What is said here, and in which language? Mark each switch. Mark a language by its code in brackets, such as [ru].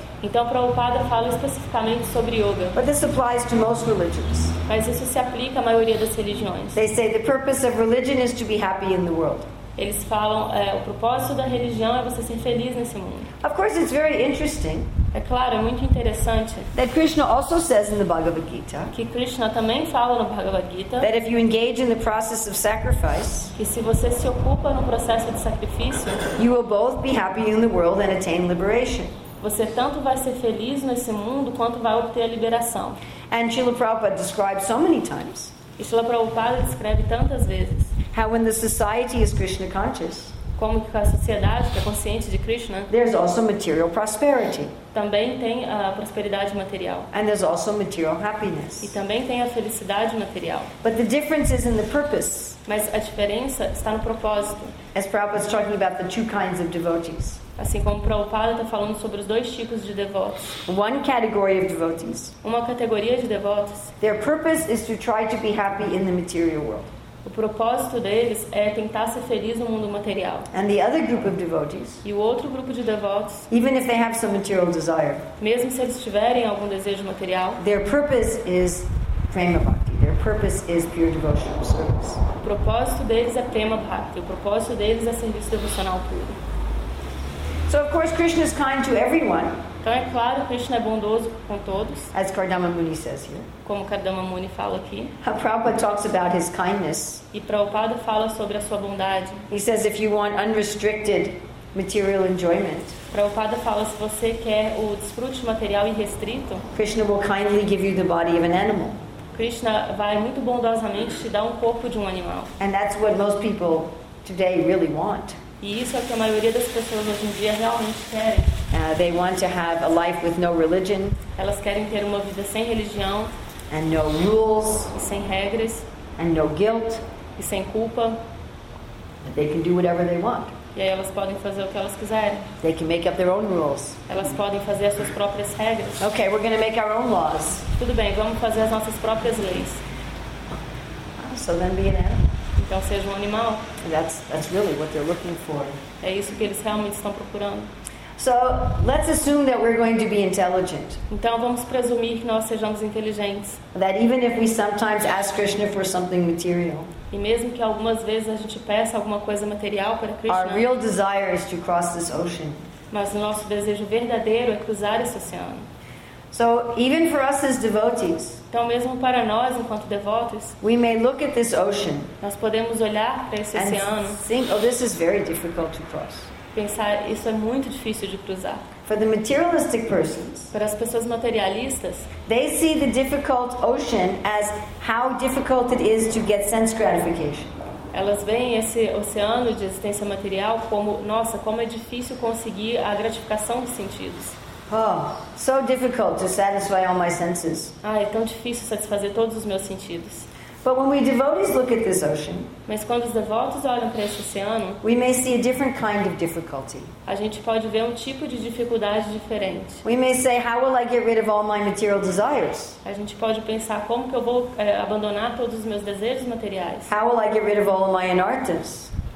[pt] Então Prabhupada fala especificamente sobre yoga. [en] But this applies to most religions. [pt] Mas isso se aplica à maioria das religiões. [en] They say the purpose of religion is to be happy in the world. [pt] Eles falam, o propósito da religião é você ser feliz nesse mundo. [en] Of course it's very interesting. [pt] É claro, é muito interessante. [en] That Krishna also says in the Bhagavad Gita. [pt] Que Krishna também fala no Bhagavad Gita. [en] That if you engage in the process of sacrifice. [pt] Que se você se ocupa no processo de sacrifício. [en] You will both be happy in the world and attain liberation. [pt] Você tanto vai ser feliz nesse mundo quanto vai obter a liberação. [en] And Srila Prabhupada describes so many times. [pt] E Srila Prabhupada descreve tantas vezes. [en] How when the society is Krishna conscious. [pt] Como que a sociedade que é consciente de Krishna. [en] There's also material prosperity. [pt] Também tem a prosperidade material. [en] And there's also material happiness. [pt] E também tem a felicidade material. [en] But the difference is in the purpose. [pt] Mas a diferença está no propósito. [en] As Prabhupada is talking about the two kinds of devotees. [pt] Assim como Prabhupada está falando sobre os dois tipos de devotos. [en] One category of devotees. [pt] Uma categoria de devotos. [en] Their purpose is to try to be happy in the material world. [pt] O propósito deles é tentar ser feliz no mundo material. [en] And the other group of devotees, [pt] e o outro grupo de devotos, [en] even if they have some material desire, [pt] mesmo se eles tiverem algum desejo material, [en] their purpose is prema bhakti. Their purpose is pure devotional service. [pt] O propósito deles é prema bhakti. O propósito deles é serviço devocional puro. [en] So of course Krishna is kind to everyone. [pt] Então é claro, Krishna é bondoso com todos. [en] As Kardama Muni says here. [pt] Como Kardama Muni fala aqui. [en] Prabhupada talks about his kindness. [pt] E Prabhupada fala sobre a sua bondade. [en] He says if you want unrestricted material enjoyment. [pt] Prabhupada fala se você quer o desfrute material irrestrito. [en] Krishna will kindly give you the body of an animal. [pt] Krishna vai muito bondosamente te dar um corpo de um animal. [en] And that's what most people today really want. [pt] E isso é o que a maioria das pessoas hoje em dia realmente querem. [en] They want to have a life with no religion. [pt] Elas querem ter uma vida sem religião. [en] And no rules. [pt] E sem regras. [en] And no guilt. [pt] E sem culpa. [en] But they can do whatever they want. [pt] E aí elas podem fazer o que elas quiserem. [en] They can make up their own rules. [pt] Elas podem fazer as suas próprias regras. [en] Okay, we're going to make our own laws. [pt] Tudo bem, vamos fazer as nossas próprias leis. [en] So then be an animal. [pt] Então seja um animal. [en] That's really what they're looking for. [pt] É isso que eles realmente estão procurando. [en] So let's assume that we're going to be intelligent. [pt] Então vamos presumir que nós sejamos inteligentes. [en] That even if we sometimes ask Krishna for something material. [pt] E mesmo que algumas vezes a gente peça alguma coisa material para Krishna. [en] Our real desire is to cross this ocean. [pt] Mas o nosso desejo verdadeiro é cruzar esse oceano. [en] So even for us as devotees. [pt] Então mesmo para nós enquanto devotos. [en] We may look at this ocean. [pt] Nós podemos olhar para esse oceano. [en] Think, oh, this is very difficult to cross. [pt] Pensar, isso é muito difícil de cruzar. [en] For the materialistic persons. [pt] Para as pessoas materialistas. [en] They see the difficult ocean as how difficult it is to get sense gratification. [pt] Elas veem esse oceano de existência material como, nossa, como é difícil conseguir a gratificação dos sentidos. [en] Oh, so difficult to satisfy all my senses. [pt] Ah, é tão difícil satisfazer todos os meus sentidos. [en] But when we devotees look at this ocean, [pt] mas quando os devotos olham para esse oceano, [en] we may see a different kind of difficulty. [pt] A gente pode ver um tipo de dificuldade diferente. [en] We may say, how will I get rid of all my material desires? [pt] A gente pode pensar como que eu vou abandonar todos os meus desejos materiais? [en] How will I get rid of all of my anartas?